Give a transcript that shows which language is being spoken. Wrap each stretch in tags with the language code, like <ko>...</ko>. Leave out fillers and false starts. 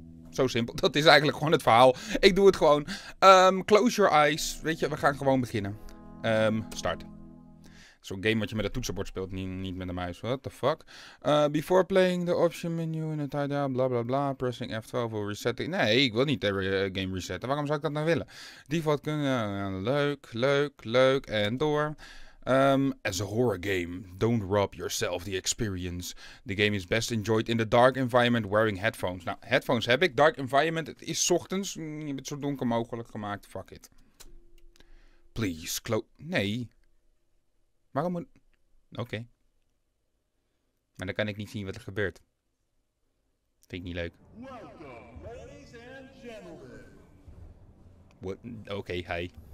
<nl>Zo simpel, dat is eigenlijk gewoon het verhaal. Ik doe het gewoon. Close Your Eyes, weet je, we gaan gewoon beginnen. Start. Zo'n game wat je met een toetsenbord speelt, niet met een muis.</nl> <en>What the fuck? Before playing the option menu in a tie down, blah blah blah. Pressing F12 will reset the...</en> <nl>Nee, ik wil niet de game resetten. Waarom zou ik dat nou willen? Default kunnen... Leuk. En door.</nl> <en>As a horror game, don't rob yourself the experience. The game is best enjoyed in the dark environment wearing headphones.</en> <nl>Nou, headphones heb ik. Dark environment, het is ochtends. Je hebt het zo donker mogelijk gemaakt.</nl> <en>Fuck it. Please, close...</en> <nl>Nee... Waarom moet... Oké. Maar dan kan ik niet zien wat er gebeurt. Vind ik niet leuk.</nl> <en>Welcome, ladies and gentlemen.</en> <nl>Oké, hi.</nl>